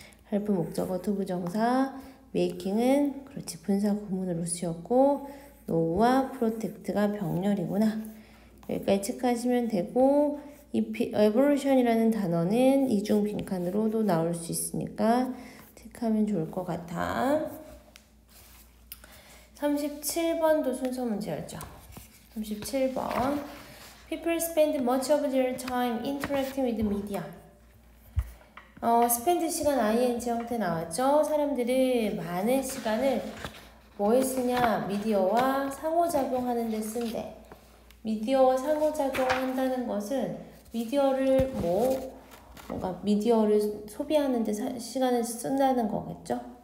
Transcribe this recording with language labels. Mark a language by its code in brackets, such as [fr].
[ko] help 목적어 to 부정사 making은 그렇지 분사 구문으로 쓰였고 no와 protect가 병렬이구나. 여기까지 체크하시면 되고 이 evolution이라는 단어는 이중 빈칸으로도 나올 수 있으니까 체크하면 좋을 것 같아. 37번도 순서 문제였죠. [en] 37번 People spend much of their time interacting with media. [ko] spend 시간 ing 형태 나왔죠. 사람들은 많은 시간을 뭐에 쓰냐? 미디어와 상호작용하는 데 쓴대. 미디어와 상호작용한다는 것은 미디어를 뭐 뭔가 미디어를 소비하는 데 시간을 쓴다는 거겠죠?